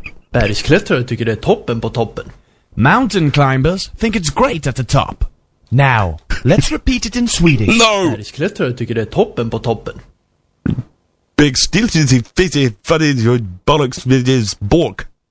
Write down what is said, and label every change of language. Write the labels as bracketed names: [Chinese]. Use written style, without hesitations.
[Swedish] Bergsklättrare tycker det är toppen på toppen. [English] Mountain climbers think it's great at the top. Now, let's repeat it in Swedish. No! [Swedish] Bergsklättrare tycker det är toppen på toppen. Big stiltsy fitty fuddy bollocks with his bork.